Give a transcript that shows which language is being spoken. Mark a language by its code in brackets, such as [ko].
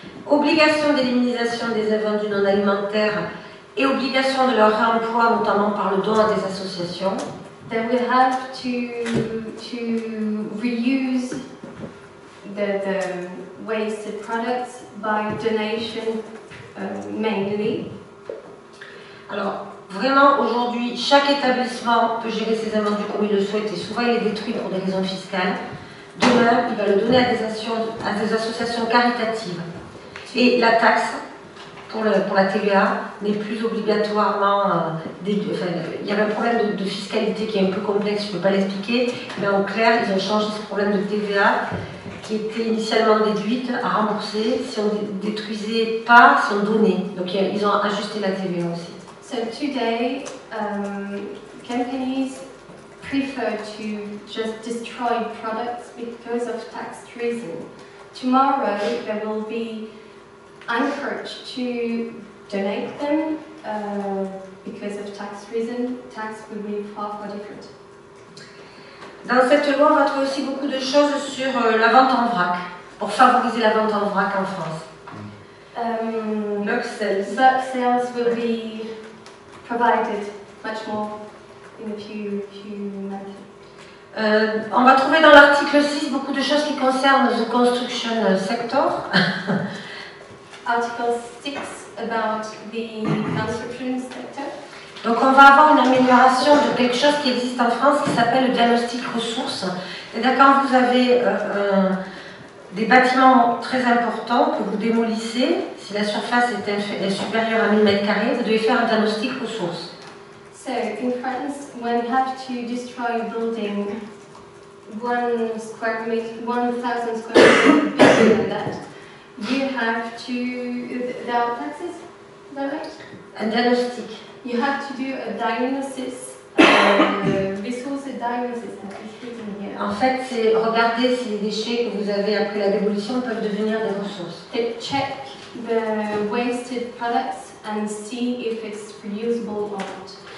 [fr] Obligation d'élimination des invendus non alimentaires et obligation de leur réemploi, notamment par le don à des associations. [en] Then we have to reuse the wasted products by donation mainly. [fr] Alors, vraiment, aujourd'hui, chaque établissement peut gérer ses invendus comme il le souhaite et souvent il est détruit pour des raisons fiscales. Demain, il va le donner à des associations caritatives. Et la taxe pour la TVA n'est plus obligatoirement... il y a un problème de fiscalité qui est un peu complexe, je ne peux pas l'expliquer. Mais en clair, ils ont changé ce problème de TVA qui était initialement déduite à rembourser si on détruisait pas, si on donnait. Donc ils ont ajusté la TVA aussi. [en] So today, companies prefer to just destroy products because of tax reason. Tomorrow, they will be encouraged to donate them because of tax reason. Tax will be far, far different. [fr] Dans cette loi, on va trouver aussi beaucoup de choses sur la vente en vrac, pour favoriser la vente en vrac en France. [en] Buck sales will be provided much more in a few months. [fr] On va trouver dans l'article 6 beaucoup de choses qui concernent [en] the construction sector. Article 6 about the construction sector. [fr] Donc on va avoir une amélioration de quelque chose qui existe en France qui s'appelle le diagnostic ressources. C'est-à-dire quand vous avez des bâtiments très importants que vous démolissez, si la surface est supérieure à 1000 m², vous devez faire un diagnostic ressources. [en] So in France, when you have to destroy a building 1,000 square meters bigger than that, you have to there are taxes, is that right? A diagnostic. You have to do a diagnosis, resource diagnosis. [fr] En fait, c'est regarder si les déchets que vous avez après la démolition peuvent devenir des ressources. [en] They check the wasted products and see if it's reusable or not.